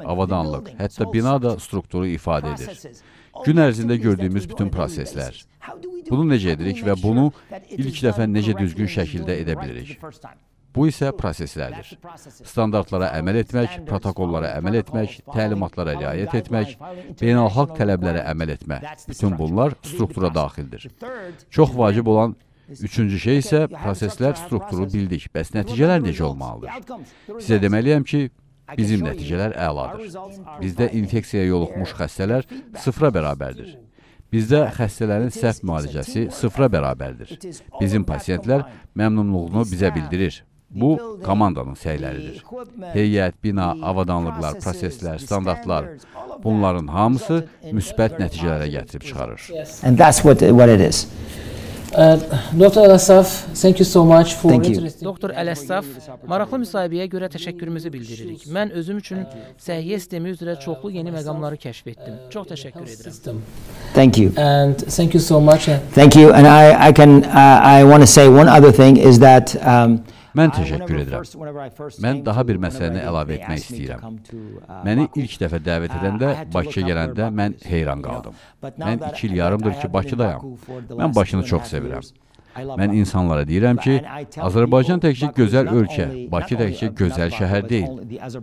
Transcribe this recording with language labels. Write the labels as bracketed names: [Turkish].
[Azerbaijani] Avadanlıq, hətta bina da strukturu ifadə edir. Gün ərzində gördüyümüz bütün proseslər. Bunu necə edirik və bunu ilk dəfə necə düzgün şəkildə edə bilirik? Bu isə proseslərdir. Standartlara əməl etmək, protokollara əməl etmək, təlimatlara riayət etmək, beynəlxalq tələblərə əməl etmək. Bütün bunlar struktura daxildir. Çox vacib olan üçüncü şey isə proseslər strukturu bildik. Bəs nəticələr necə olmalıdır? Sizə deməliyəm ki, bizim nəticələr əladır. Bizdə infeksiyaya yoluxmuş xəstələr sıfıra bərabərdir. Bizdə xəstələrin səhv müalicəsi sıfıra bərabərdir. Bizim pasiyentlər məmnunluğunu bizə bildirir. Bu komandanın şeyleridir. Heyet, bina, avadanlıqlar, proseslər, standartlar, bunların hamısı müsbət nəticələrə gətirib çıxarır. [English] And that's what it is. Dr. Alassaf, thank you so much for interesting. Dr. [Azerbaijani] Alassaf, maraqlı müsahibəyə görə təşəkkürümüzü bildiririk. Mən özüm üçün səhiyyə sistemi üzrə çoxlu yeni məqamları kəşf etdim. Çox təşəkkür edirəm. [English] Thank you. And thank you so much. Thank you. And I want to say one other thing is that [Azerbaijani] Mən təşəkkür edirəm. Mən daha bir məsələni əlavə etmək istəyirəm. Məni ilk dəfə dəvət edəndə, Bakıya gələndə mən heyran qaldım. Mən 2 il yarımdır ki, Bakıdayam. Mən Bakını çox sevirəm. Mən insanlara deyirəm ki, Azərbaycan təkcə gözəl ölkə, Bakı təkcə gözəl şəhər deyil.